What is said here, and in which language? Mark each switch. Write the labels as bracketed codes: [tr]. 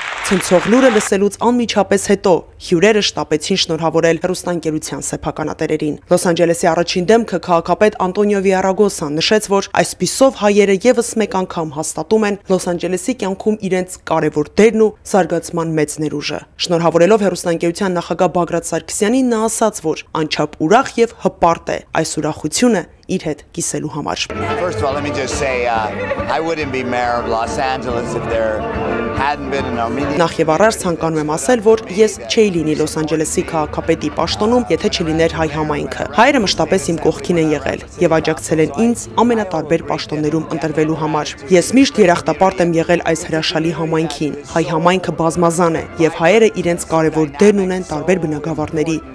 [hy] Ցնցող լուրը լսելուց անմիջապես հետո հյուրերը շտապեցին շնորհավորել հեռուստաընկերության սեփականատերերին։ Լոս Անջելեսի առաջին դեմքը քաղաքապետ Անտոնիո Վիարագոսան նշեց, որ այսպիսով հայերը ևս մեկ անգամ հաստատում են Լոս Անջելեսի կյանքում իրենց կարևոր դերն ու զարգացման մեծ ներուժը։ Շնորհավորելով հեռուստաընկերության նախագահ Բագրատ Սարգսյանին, նա ասաց, որ անչափ ուրախ և հպարտ է այս ուրախությունը իր հետ կիսելու համար։ [en] First of all, let me just say, I wouldn't be mayor of Los Angeles if there hadn't been an Armenian. [hy] Նախ և առաջ ցանկանում եմ ասել, որ ես չէի լինի Լոս Անջելեսի քաղաքապետի պաշտոնում, եթե չլիներ հայ համայնքը։ Հայերը մշտապես իմ կողքին են եղել և աջակցել են ինձ ամենատարբեր պաշտոններում ընտրվելու համար։ Ես միշտ երախտապարտ եմ եղել այս հրաշալի համայնքին։ Հայ համայնքը բազմազան է, և հայերը իրենց կարևոր դերն ունեն տարբեր բնակավարների